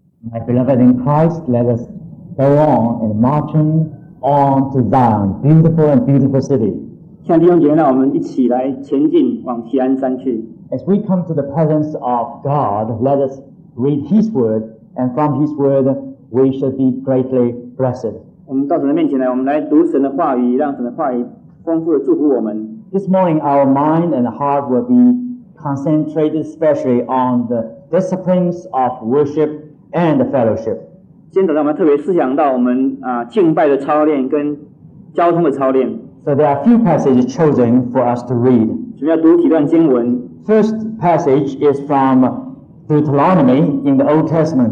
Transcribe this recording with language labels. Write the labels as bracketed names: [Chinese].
[English] My beloved in Christ, let us go on and marching on to Zion, beautiful and beautiful city. [Chinese] 像弟兄姐妹，让我们一起来前进往锡安山去。 [English] As we come to the presence of God, let us read His word, and from His word, we shall be greatly blessed. [Chinese] 我们到神的面前来，我们来读神的话语，让神的话语丰富的祝福我们。 [English] This morning, our mind and heart will be concentrated especially on the disciplines of worship and fellowship. [Chinese] 今天早上我们特别思想到我们敬拜的操练跟交通的操练。 [English] So there are a few passages chosen for us to read. [Chinese] 我们要读几段经文。 [English] First passage is from Deuteronomy in the Old Testament.